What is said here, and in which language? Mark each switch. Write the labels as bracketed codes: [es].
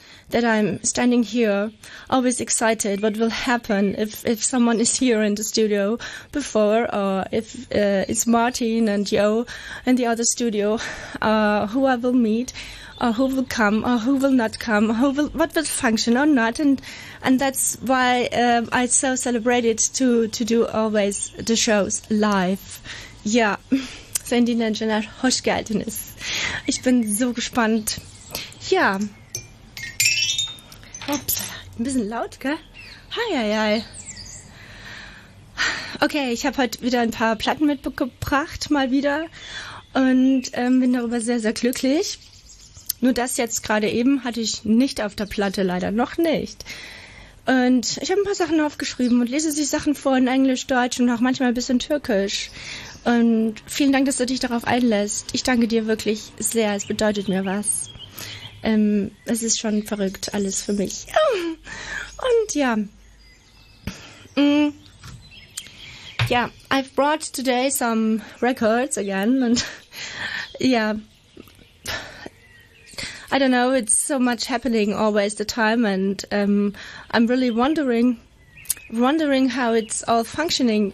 [en] that I'm standing here, always excited what will happen if someone is here in the studio before, or if it's Martin and Joe in the other studio, who I will meet, or who will come, or who will not come, who will, what will function or not, and that's why I so celebrated to do always the shows live. [de] Yeah, Sandy Nenjanat Hoschgelten ist. Ich bin so gespannt. Ja. Ups, ein bisschen laut, gell? Hi. Okay, ich habe heute wieder ein paar Platten mitgebracht, mal wieder. Und bin darüber sehr, sehr glücklich. Nur das jetzt gerade eben hatte ich nicht auf der Platte, leider noch nicht. Und ich habe ein paar Sachen aufgeschrieben und lese sich Sachen vor in Englisch, Deutsch und auch manchmal ein bisschen Türkisch. Und vielen Dank, dass du dich darauf einlässt. Ich danke dir wirklich sehr, es bedeutet mir was. Es ist schon verrückt, alles für mich. Und ja. [en] Ja, I've brought today some records again. And yeah. I don't know, it's so much happening always the time. And I'm really wondering how it's all functioning.